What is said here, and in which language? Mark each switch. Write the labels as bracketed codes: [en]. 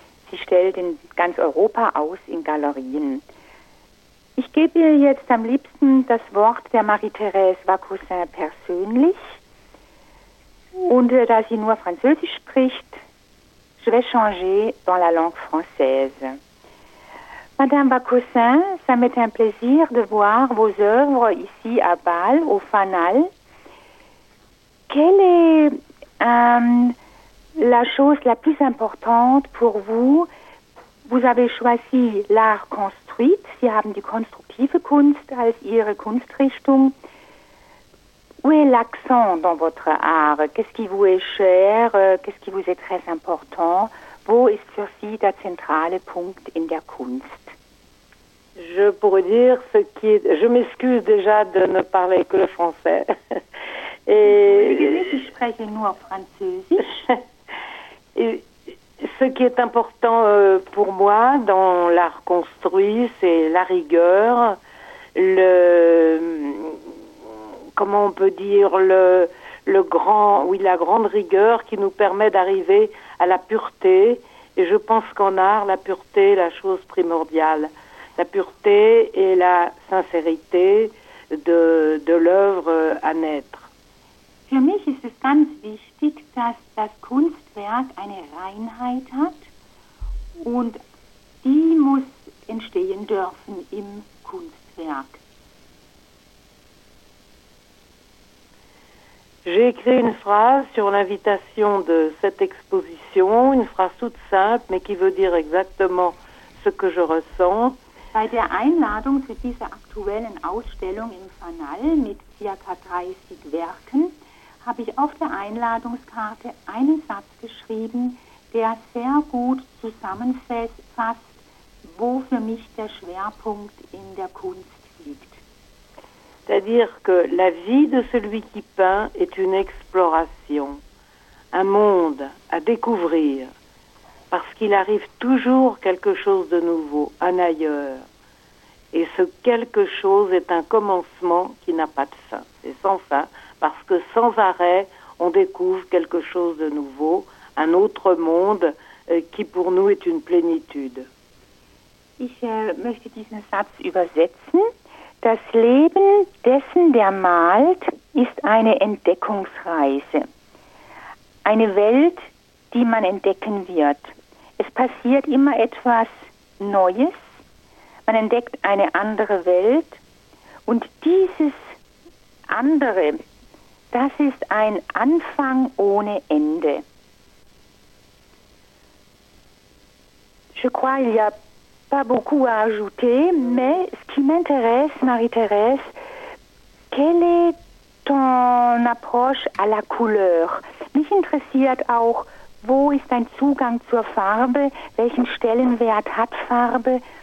[de] Sie stellt in ganz Europa aus, in Galerien. Ich gebe ihr jetzt am liebsten das Wort, der Marie-Thérèse Racozin persönlich. Und da sie nur Französisch spricht, [fr] je vais changer dans la langue française. Madame Racozin, ça m'est un plaisir de voir vos œuvres ici à Bâle, au Fanal. Quelle est la chose la plus importante pour vous? Vous avez choisi l'art construit, [de] Sie haben die konstruktive Kunst als Ihre Kunstrichtung. [fr] Où est l'accent dans votre art? Qu'est-ce qui vous est cher? Qu'est-ce qui vous est très important? [de] Wo ist für Sie der zentrale Punkt in der Kunst? [fr] Je pourrais dire ce qui est, je m'excuse déjà de ne parler que le français. [de] Et ich spreche nur Französisch. [fr] Ce qui est important pour moi dans l'art construit, c'est la rigueur, le, comment on peut dire, le grand, oui, la grande rigueur qui nous permet d'arriver à la pureté. Et je pense qu'en art, la pureté est la chose primordiale. La pureté et la sincérité de l'œuvre à naître. [de] Für mich ist es ganz wichtig, dass das Kunstwerk eine Reinheit hat und die muss entstehen dürfen im Kunstwerk. [fr] J'ai écrit une phrase sur l'invitation de cette exposition, une phrase toute simple, mais qui veut dire exactement ce que je ressens. [de] Bei der Einladung zu dieser aktuellen Ausstellung im Fanal mit ca. 30 Werken habe ich auf der Einladungskarte einen Satz geschrieben, der sehr gut zusammenfasst, wo für mich der Schwerpunkt in der Kunst liegt. [fr] C'est-à-dire que la vie de celui qui peint est une exploration, un monde à découvrir. Parce qu'il arrive toujours quelque chose de nouveau, un ailleurs. Et ce quelque chose est un commencement qui n'a pas de fin. C'est sans fin, parce que sans arrêt, on découvre quelque chose de nouveau, un autre monde qui pour nous est une plénitude. [de] Ich möchte diesen Satz übersetzen. Das Leben dessen, der malt, ist eine Entdeckungsreise. Eine Welt, die man entdecken wird. Es passiert immer etwas Neues, man entdeckt eine andere Welt und dieses andere, das ist ein Anfang ohne Ende. [fr] je crois qu'il n'y a pas beaucoup à ajouter, mais ce qui m'intéresse, Marie-Thérèse, quelle est ton approche à la couleur? [de] Mich interessiert auch, wo ist dein Zugang zur Farbe? Welchen Stellenwert hat Farbe?